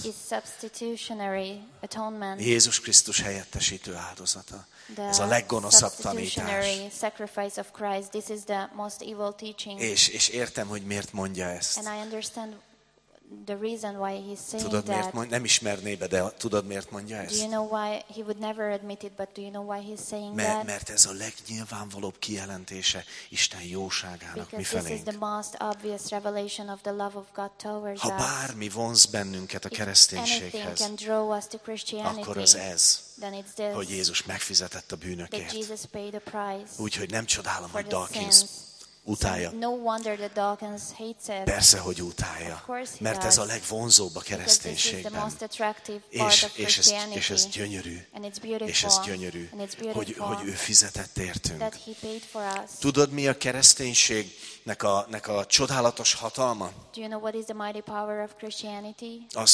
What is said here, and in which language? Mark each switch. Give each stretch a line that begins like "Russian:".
English: It's substitutionary atonement.
Hungarian: Jézus Krisztus helyettesítő áldozata. Ez a leggonoszabb
English: substitutionary
Hungarian: tanítás.
English: Sacrifice of Christ. This is the most evil teaching.
Hungarian: És értem, hogy miért mondja ezt.
English: And I understand the reason why he's saying
Hungarian: tudod, miért
English: that.
Hungarian: Mondja, nem ismerné be, de tudod, miért mondja ezt?
English: Do you know why he would never admit it, but do you know why he's saying that?
Hungarian: Mert ez a legnyilvánvalóbb kijelentése Isten jóságának mi felénk.
English: Because this is the most obvious revelation of the love of God towards us.
Hungarian: Ha bármi vonz bennünket a kereszténységhez,
English: anything can draw us to Christianity,
Hungarian: akkor az ez,
English: then it's this,
Hungarian: hogy Jézus megfizetett a bűnökért.
English: That Jesus paid a price.
Hungarian: Úgyhogy nem csodálom, hogy Dawkins utálja.
English: No wonder that Dawkins hates it.
Hungarian: Persze, hogy utálja. Mert ez a legvonzóbb a kereszténységben.
English: Because this is the most attractive part of Christianity.
Hungarian: És ez gyönyörű.
English: And it's beautiful.
Hungarian: És ez gyönyörű,
English: and it's beautiful.
Hungarian: Hogy ő fizetett értünk.
English: That he paid for us.
Hungarian: Tudod, mi a kereszténységnek a csodálatos hatalma?
English: Do you know what is the mighty power of Christianity?